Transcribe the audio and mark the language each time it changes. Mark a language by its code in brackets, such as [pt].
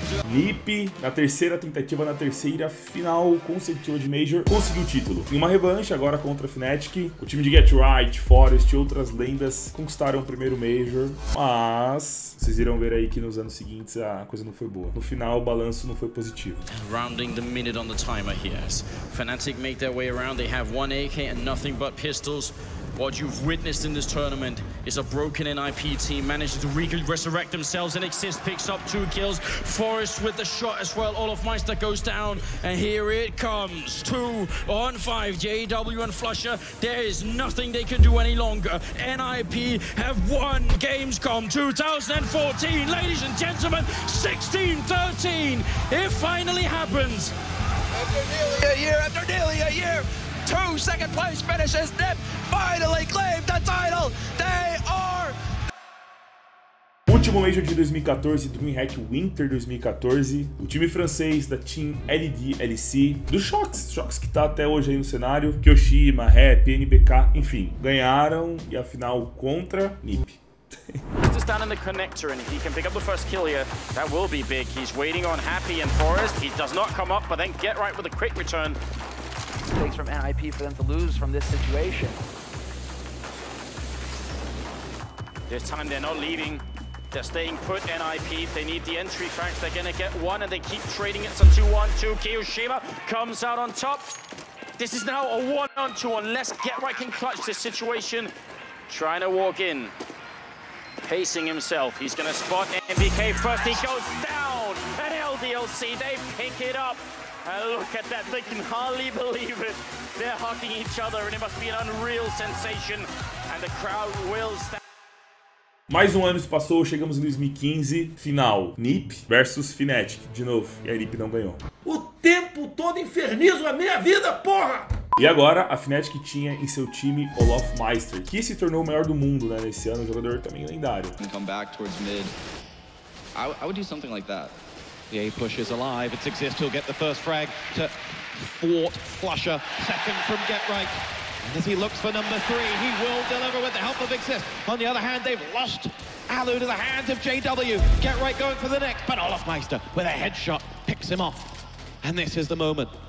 [pt] Lip, na terceira tentativa, na terceira final consecutiva de Major, conseguiu o título. Em uma revanche agora contra a Fnatic, o time de Get Right, Forest e outras lendas conquistaram o primeiro Major, mas vocês irão ver aí que nos anos seguintes a coisa não foi boa. No final, o balanço não foi positivo. [en] Rounding the minute on the timer here. Fnatic make their way around, they have one AK and nothing but pistols. What you've witnessed in this tournament is a broken NIP team managing to resurrect themselves, and Exist picks up two kills. Forest with the shot as well. Olaf Meister goes down, and here it comes. 2-on-5, JW and Flusher. There is nothing they can do any longer. NIP have won Gamescom 2014. Ladies and gentlemen, 16-13. It finally happens. After nearly a year, 2 second place finishes. NIP finally claimed the title. They are... [pt] Último Major de 2014, DreamHack Winter 2014, o time francês da Team LDLC, do Shox que tá até hoje aí no cenário, Kyoshima, Rap, NBK, enfim, ganharam e a final contra NIP. [en] Just down in the connector, and if he can pick up the first kill here, that will be big. He's waiting on Happy and Forest. He does not come up, but then Get Right with a quick return. It takes from NIP for them to lose from this situation. This time they're not leaving. They're staying put, NIP. They need the entry frags. They're gonna get one, and they keep trading it. So 2-1-2. Kiyoshima comes out on top. This is now a 1-on-2, unless Get Right can clutch this situation. Trying to walk in. Pacing himself, he's gonna spot MBK first, he goes down, and LDLC, they pick it up, and look at that, they can hardly believe it, they're hugging each other, and it must be an unreal sensation, and the crowd will stand. [pt] Mais um ano se passou, chegamos em 2015, final, NIP versus Fnatic, de novo, e a NIP não ganhou. O tempo todo infernizo a minha vida, porra! E agora, a Fnatic tinha em seu time Olaf Meister, que se tornou o maior do mundo, né, nesse ano, um jogador também lendário. [en] Can come back towards mid. I would do something like that. The A push is alive, it's Exist, he'll get the first frag to thwart Flusher, second from Get Right. And as he looks for number three, he will deliver with the help of Exist. On the other hand, they've lost Alu to the hands of JW. Get Right going for the next, but Olaf Meister, with a headshot, picks him off. And this is the moment.